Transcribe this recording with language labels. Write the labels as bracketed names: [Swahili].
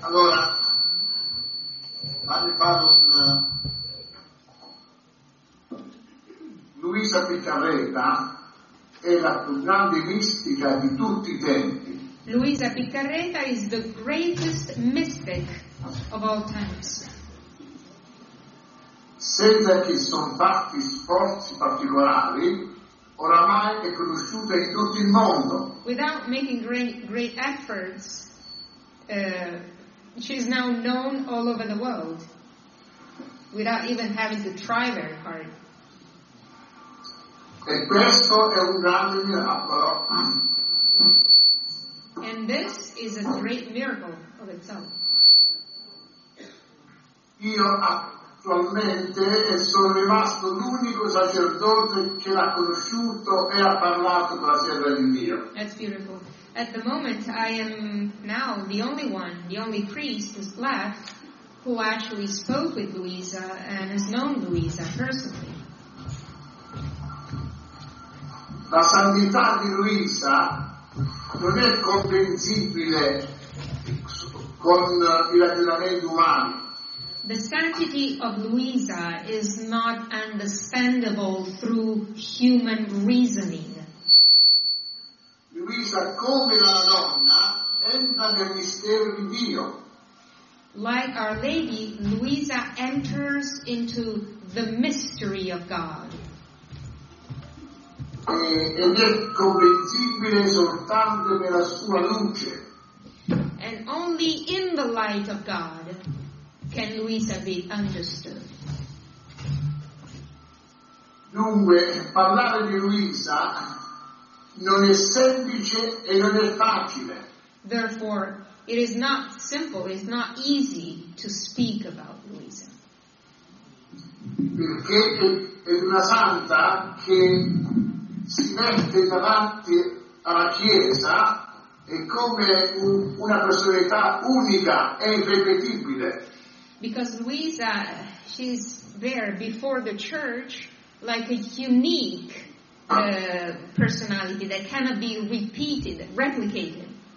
[Italian] Allora, vado a fare un Luisa Piccarreta è la più grande mistica di tutti i tempi. [English] Luisa Piccarreta is the greatest mystic of all times. [Italian] Senza che sono fatti sforzi particolari, oramai è conosciuta in tutto il mondo. [English] Without making great efforts, she is now known all over the world, without even having to try very hard. [Italian] E questo è un grande miracolo. [English] And this is a great miracle of itself. [Italian] Io attualmente sono rimasto l'unico sacerdote che l'ha conosciuto e ha parlato con la serva di Dio. [English] That's beautiful. At the moment I am now the only priest left who actually spoke with Luisa and has known Luisa personally. [Italian] La santità di Luisa non è comprensibile con i ragionamenti umani. [English] The sanctity of Luisa is not understandable through human reasoning. [Italian] Luisa, come la donna, entra nel mistero di Dio. [English] Like Our Lady, Luisa enters into the mystery of God. [Italian] Ed è comprensibile soltanto nella sua luce. [English] And only in the light of God can Luisa be understood. [Italian] Dunque, parlare di Luisa non è semplice e non è facile. [English] Therefore, it is not simple, it's not easy to speak about Luisa. [Italian] Perché è una santa che si mette davanti alla Chiesa e come una personalità unica e irrepetibile. [English] Because Luisa, she's there before the church like a unique personality that cannot be repeated, replicated.